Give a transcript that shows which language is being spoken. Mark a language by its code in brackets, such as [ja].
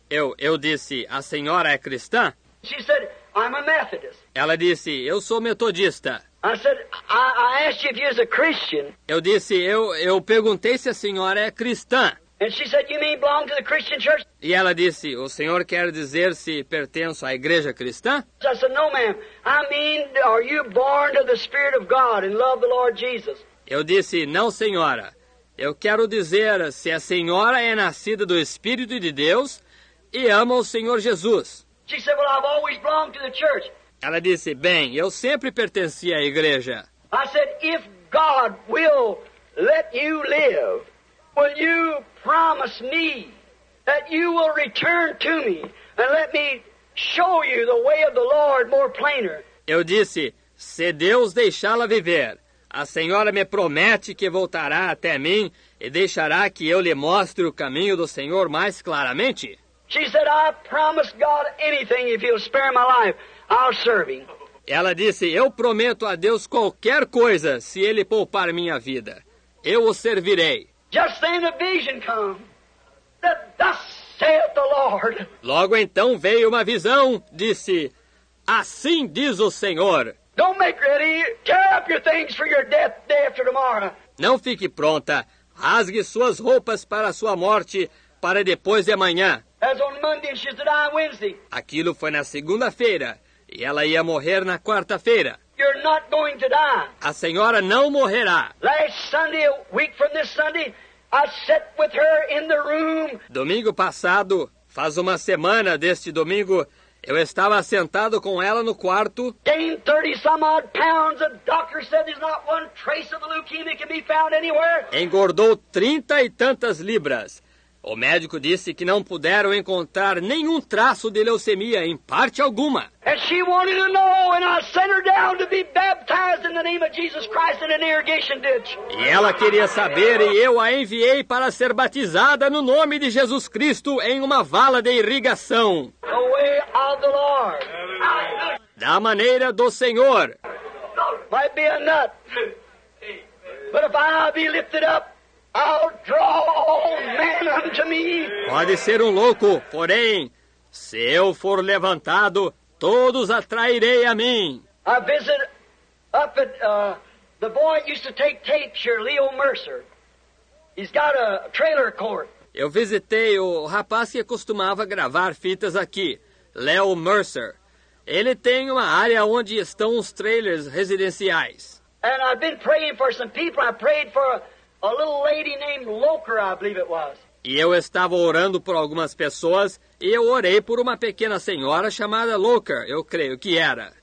[pt] Eu disse, a senhora é cristã? [en] She said, I'm a Methodist. [pt] Ela disse, eu sou metodista. [en] I said, I asked you if you're a Christian. [pt] Eu disse, eu perguntei se a senhora é cristã. [en] And she said, you mean belong to the Christian church? [pt] E ela disse, o senhor quer dizer se pertenço à igreja cristã? [en] I said, no, ma'am. I mean, are you born to the Spirit of God and love the Lord Jesus? [pt] Eu disse, não, senhora. Eu quero dizer se a senhora é nascida do Espírito de Deus e ama o Senhor Jesus. [en] She said, well, I've always belonged to the church. [pt] Ela disse, bem, eu sempre pertenci à igreja. [en] I said, if God will let you live, will you promise me that you will return to me and let me show you the way of the Lord more plainer? [pt] Eu disse, se Deus deixá-la viver, a senhora me promete que voltará até mim e deixará que eu lhe mostre o caminho do Senhor mais claramente? [en] She said, I promise God anything if he'll spare my life. I'll serve him. [pt] Ela disse, eu prometo a Deus qualquer coisa se ele poupar minha vida. Eu o servirei. [en] Just then a vision come. That thus saith the Lord. [pt] Logo então veio uma visão, disse, assim diz o Senhor. [en] Don't make ready. Tear up your things for your death day after tomorrow. [pt] Não fique pronta. Rasgue suas roupas para a sua morte para depois de amanhã. [en] As on Monday, she's to die on Wednesday. [pt] Aquilo foi na segunda-feira. E ela ia morrer na quarta-feira. [en] You're not going to die. [pt] A senhora não morrerá. [en] Last Sunday, a week from this Sunday, I sat with her in the room. [pt] Domingo passado, faz uma semana deste domingo, eu estava sentado com ela no quarto. [en] Gained 30 some odd pounds. The doctor said there's not one trace of the leukemia can be found anywhere. [pt] Engordou 30 e tantas libras. O médico disse que não puderam encontrar nenhum traço de leucemia em parte alguma. [en] And she wanted to know, and I sent her down to be baptized in the name of Jesus Christ in an irrigation ditch. [pt] E ela queria saber, e eu a enviei para ser batizada no nome de Jesus Cristo em uma vala de irrigação. [en] The way of the Lord. [pt] Da maneira do Senhor. [en] Might be a nut, but if I be lifted up, I'll draw all men unto me. [pt] Pode ser um louco, porém, se eu for levantado, todos atrairei a mim. [en] I visit up at the boy used to take tapes here, Leo Mercer. He's got a trailer court. [pt] Eu visitei o rapaz que costumava gravar fitas aqui, Leo Mercer. Ele tem uma área onde estão os trailers residenciais. [en] And I've been praying for some people. I prayed for a little lady named Loker, I believe it was. [pt] E eu estava orando por algumas pessoas, e eu orei por uma pequena senhora chamada Loker, eu creio que era.